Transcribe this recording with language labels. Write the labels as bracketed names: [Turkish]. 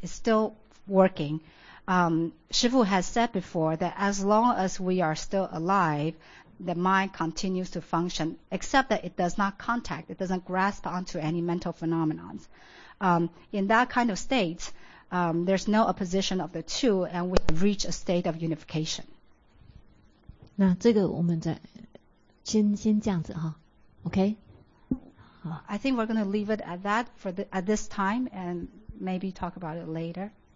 [English] It's still working. Shifu has said before that as long as we are still alive, the mind continues to function, except that it does not contact, it doesn't grasp onto any mental phenomenons. In that kind of state, there's no opposition of the two, and we reach a state of unification. [Chinese] 那这个我们再先这样子哈 ，OK。 [English] I think we're going to leave it at that for the, at this time and maybe talk about it later.